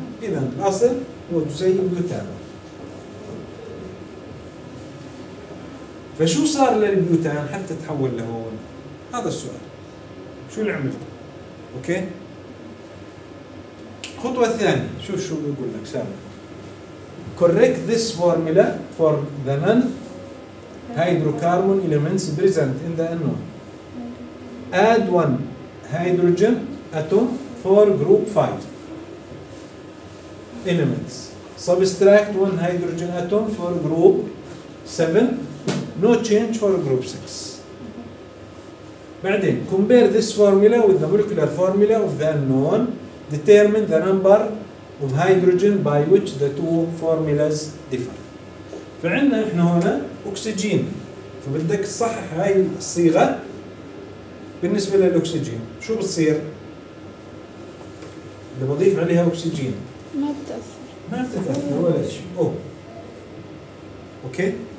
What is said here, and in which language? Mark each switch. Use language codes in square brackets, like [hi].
[ar] اذا الاصل هو جزيء بيوتان. فشو صار للبيوتان حتى تحول لهون؟ هذا السؤال. شو اللي عملته؟ اوكي؟ الخطوة الثانية شوف شو بيقول لك سامي. [en] Correct this formula for the non hydrocarbon elements present in the anion. Add one hydrogen atom for group 5 elements. Subtract one hydrogen atom for group 7. No change for group 6. بعدين compare this formula with the molecular formula of the anion. Determine the number of hydrogen by which the two formulas differ. [ar] فعندنا احنا هنا اكسجين، فبدك تصحح هاي الصيغه بالنسبه للاكسجين. شو بتصير؟ اذا بضيف عليها اكسجين ما بتاثر، ما بتاثر ولا شيء. اوه اوكي.